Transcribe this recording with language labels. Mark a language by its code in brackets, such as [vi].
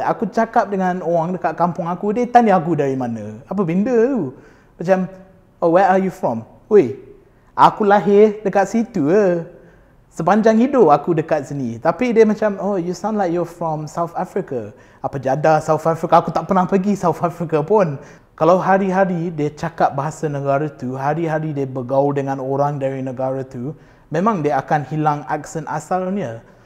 [ms] Aku cakap dengan orang dekat kampung aku, dia tanya aku dari mana. Apa benda tu? Macam, [en] oh, where are you from? [ms] Wey, aku lahir dekat situ ke? Sepanjang hidup aku dekat sini. Tapi dia macam, [en] oh, you sound like you're from South Africa. [ms] Apa jadah South Africa? Aku tak pernah pergi South Africa pun. Kalau hari-hari dia cakap bahasa negara tu, hari-hari dia bergaul dengan orang dari negara tu, memang dia akan hilang aksen asalnya.